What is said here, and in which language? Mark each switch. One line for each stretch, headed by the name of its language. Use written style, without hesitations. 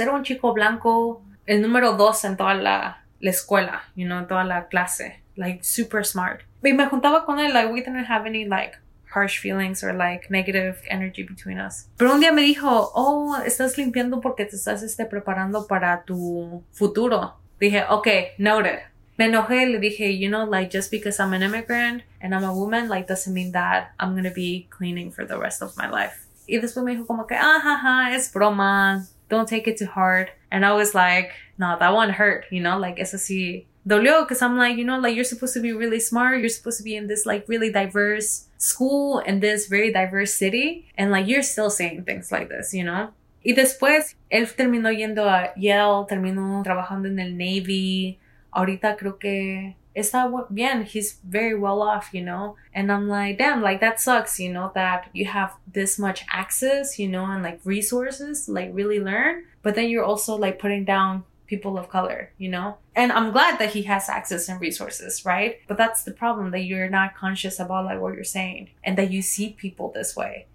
Spanish: Era un chico blanco, el número 2 en toda la escuela,
English: you know,
Spanish: toda la clase.
English: Like, super smart.
Spanish: Y me juntaba con él,
English: like, we didn't have any, like, harsh feelings or, like, negative energy between us.
Spanish: Pero un día me dijo, oh, estás limpiando porque te estás preparando para tu futuro.
English: Dije, okay, noted.
Spanish: Me enojé, le dije,
English: you know, like, just because I'm an immigrant and I'm a woman, like, doesn't mean that I'm gonna be cleaning for the rest of my life.
Spanish: Y después me dijo como que, ajaja, es broma,
English: don't take it too hard. And I was like, no, that one hurt, you know, like,
Spanish: eso sí
English: dolió, because I'm like, you know, like, you're supposed to be really smart, you're supposed to be in this, like, really diverse school and this very diverse city, and, like, you're still saying things like this, you know?
Spanish: Y después, él terminó yendo a Yale, terminó trabajando en el Navy. Ahorita creo que está bien,
English: he's very well off, you know? And I'm like, damn, like, that sucks, you know, that you have this much access, you know, and, like, resources to, like, really learn. But then you're also, like, putting down people of color, you know? And I'm glad that he has access and resources, right? But that's the problem, that you're not conscious about, like, what you're saying, and that you see people this way.